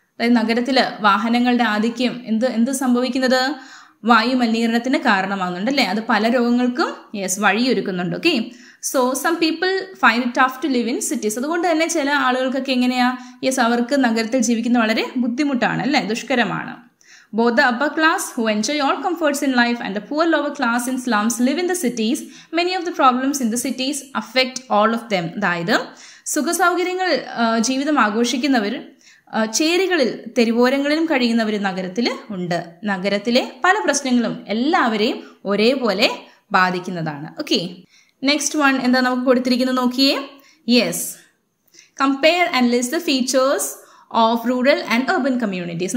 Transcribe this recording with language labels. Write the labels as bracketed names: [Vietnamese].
[Malayalam] അതായത് നഗരത്തിൽ വാഹനങ്ങളുടെ ആധിക്യം എന്ത് സംഭവിക്കുന്നത്? വായുമലിനീകരണത്തിന് കാരണമാകുന്നുണ്ടല്ലേ. അത് പല രോഗങ്ങൾക്കും yes വഴിയൊരുക്കുന്നുണ്ട്. [English] Okay, so some people find tough to live in cities. [Malayalam] അതുകൊണ്ട് തന്നെ ചില ആളുകൾക്കൊക്കെ എങ്ങനെയാ, യെസ് അവർക്ക് നഗരത്തിൽ ജീവിക്കുന്ന വളരെ ബുദ്ധിമുട്ടാണ് അല്ലേ, ദുഷ്കരമാണ്. [English] Both the upper class who enjoy all comforts in life and the poor lower class in slums live in the cities. Many of the problems in the cities affect all of them. [Malayalam] അതായത് സുഖസൗകര്യങ്ങൾ ജീവിതം ആഘോഷിക്കുന്നവർ ചേരികളിൽ തെരുവോരങ്ങളിലും കഴിയുന്നവർ നഗരത്തിൽ ഉണ്ട്. നഗരത്തിലെ പല പ്രശ്നങ്ങളും എല്ലാവരെയും ഒരേപോലെ ബാധിക്കുന്നതാണ്. [English] okay, next one [Malayalam] എന്താ നമുക്ക് കൊടുത്തിരിക്കുന്നത് നോക്കിയേ. [English] Yes compare and list the features of rural and urban communities.